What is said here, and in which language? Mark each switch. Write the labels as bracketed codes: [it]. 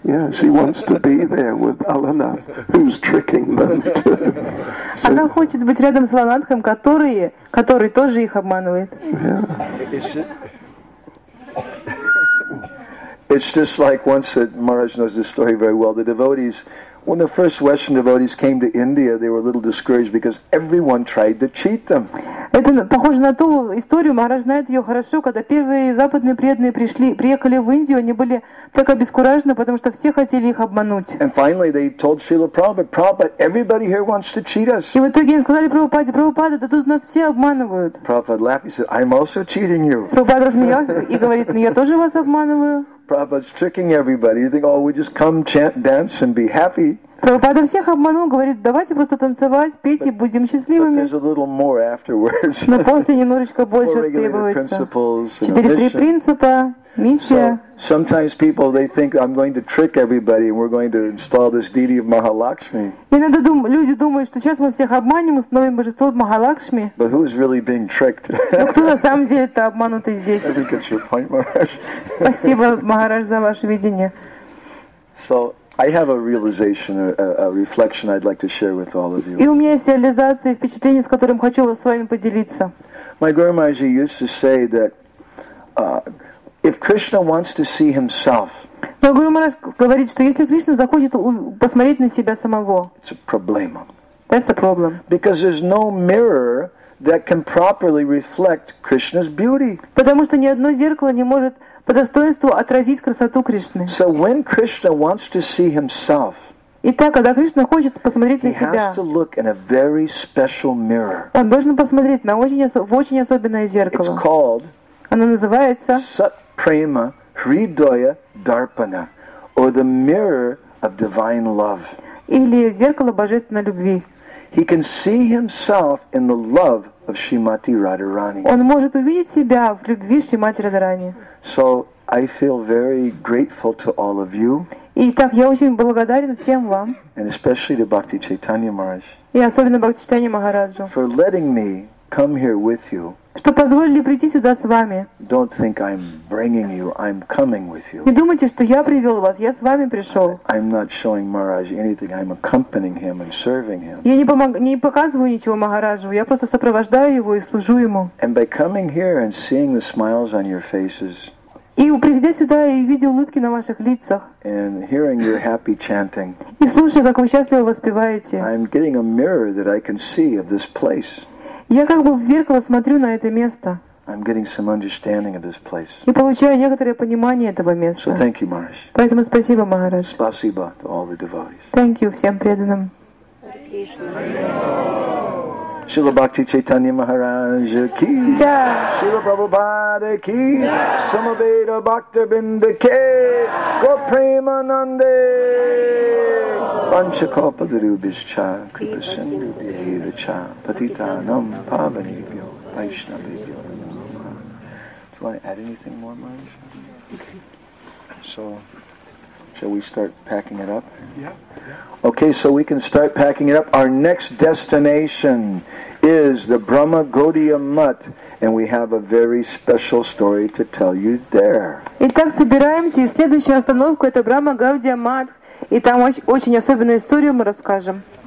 [en] Yeah, she wants to be there with Alana, who's tricking them too. [ru] Она хочет быть рядом с Аланатхом, который тоже их обманывает. [en] Yeah. It's just like once that Maharaj knows this story very well. The devotees, when the first Western devotees came to India, they were a little discouraged because everyone tried to cheat them. [ru] Это похоже на ту историю, Махарадж знает ее хорошо, когда первые западные преданные приехали в Индию, они были так обескуражены, потому что все хотели их обмануть. [en] And finally they told Srila Prabhupada, Prabhupada, everybody here wants to cheat us. [ru] И в итоге им сказали Прабхупаде, Прабхупада, да тут нас все обманывают. [en] Prabhupada laughed, he said, I'm also cheating you. [ru] Прабхупада рассмеялся и говорит, я тоже вас обманываю. [en] Prabhupada's tricking everybody. You think, oh, we just come, chant, dance, and be happy. [ru] Прабхупада всех обманул, говорит, давайте просто танцевать, петь и будем счастливыми. [en] But there's a little more afterwards. [ru] Но после немножечко больше требуется. [en] Four regulated principles and a mission. [ru] миссия. [en] So, sometimes people they think I'm going to trick everybody and we're going to install this deity of Mahalakshmi. [ru] Иногда люди думают, что сейчас мы всех обманем, установим божество Махалакшми. [en] But who's really being tricked? [ru] Кто на самом деле это обманутый здесь? [en] I think it's your point, Maharaj. [ru] Спасибо, Махарадж, за ваше видение. [en] So I have a realization, a reflection I'd like to share with all of you. [ru] И у меня есть реализация, впечатление, с которым хочу с вами поделиться. [en] My Guru Maharaj used to say that if Krishna wants to see himself, [ru] My Guru Maharaj говорит, что если Кришна захочет посмотреть на себя самого, [en] it's a problem. That's a problem. Because there's no mirror that can properly reflect Krishna's beauty. [ru] Потому что ни одно зеркало не может по достоинству отразить красоту Кришны. [en] So when Krishna wants to see himself, [ru] Итак, когда Кришна хочет посмотреть на себя, [en] has to look in a very special mirror. [ru] Он должен посмотреть в очень особенное зеркало. [en] It's called, [ru] оно называется [en] Sat Prema Hridaya Darpana, or the mirror of divine love. [ru] Или зеркало божественной любви. [en] He can see himself in the love of Shrimati Radharani. [ru] Он может увидеть себя в любви Шримати Радхарани. [en] So I feel very grateful to all of you. [ru] Итак, я очень благодарен всем вам. [en] And especially to Bhakti Chaitanya Maharaj. [ru] И особенно Бхакти Чайтанья Махараджу. [en] For letting me come here with you. [ru] Что позволили прийти сюда с вами. [en] Don't think I'm bringing you, I'm coming with you. [ru] Не думайте, что я привел вас, я с вами пришел. [en] I'm not showing Maharaj anything, I'm accompanying him and serving him. [ru] Я не показываю ничего Махараджу, я просто сопровождаю его и служу ему. [en] And by coming here and seeing the smiles on your faces. [ru] И приходя сюда и видя улыбки на ваших лицах. [en] And hearing your happy chanting. [ru] И слушая, как вы счастливо воспеваете. [en] I'm getting a mirror that I can see of this place. [ru] Я как бы в зеркало смотрю на это место. [en] I'm getting some understanding of this place. [ru] И получаю некоторое понимание этого места. [en] So thank you, Maharaj. [ru] Поэтому спасибо, Махарадж. Спасибо [en] to all the devotees. Thank you [ru] всем преданным. [sa] Śrīla Bhakti Chaitanya Maharaj ki jai. Śrīla Prabhupāda ki jai. Samaveda Bhaktarbinda ke Goprema-nande Vanchakopadarubhischa Kripa-sindhubhya-hira-cha Patitanam pavanibhyo Vaishnavibhyo [en] Do I add anything more, Maharaj? So, shall we start packing it up? Yeah. Okay, so we can start packing it up. Our next destination is the Brahma Gaudiya Mutt, and we have a very special story to tell you there. [ru] Итак, собираемся, и следующая остановка это Брахма Гаудия Мат, и там очень особенную историю мы расскажем.